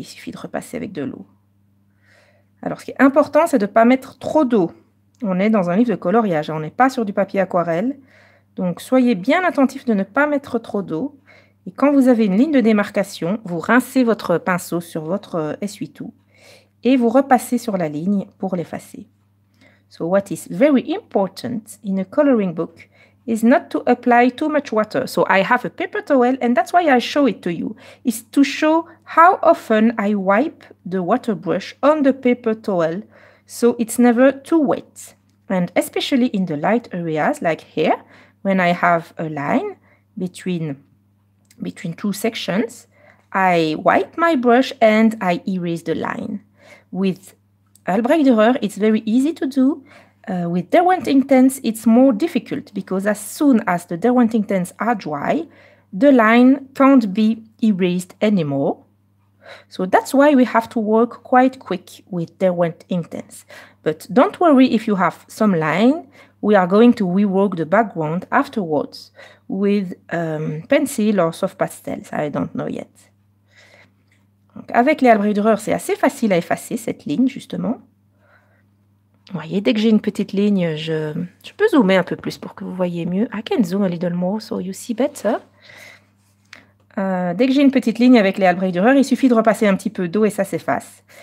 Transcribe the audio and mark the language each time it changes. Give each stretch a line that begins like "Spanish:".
French: Il suffit de repasser avec de l'eau. Alors, ce qui est important, c'est de ne pas mettre trop d'eau. On est dans un livre de coloriage, on n'est pas sur du papier aquarelle. Donc, soyez bien attentif de ne pas mettre trop d'eau. Et quand vous avez une ligne de démarcation, vous rincez votre pinceau sur votre essuie-tout et vous repassez sur la ligne pour l'effacer.
English: So what is very important in a coloring book is not to apply too much water. So I have a paper towel and that's why I show it to you. It's to show how often I wipe the water brush on the paper towel so it's never too wet. And especially in the light areas like here, when I have a line between two sections, I wipe my brush and I erase the line. With Albrecht Dürer, it's very easy to do. With Derwent Intense, it's more difficult because as soon as the Derwent Intense are dry, the line can't be erased anymore. So that's why we have to work quite quick with Derwent Intense. But don't worry if you have some line. We are going to rework the background afterwards with pencil or soft pastels. I don't know yet.
French: Donc avec les Albrecht Dürer, c'est assez facile à effacer cette ligne, justement. Vous voyez, dès que j'ai une petite ligne, je peux zoomer un peu plus pour que vous voyez mieux.
English: I can zoom a little more so you see better.
French: Dès que j'ai une petite ligne avec les Albrecht Dürer, il suffit de repasser un petit peu d'eau et ça s'efface.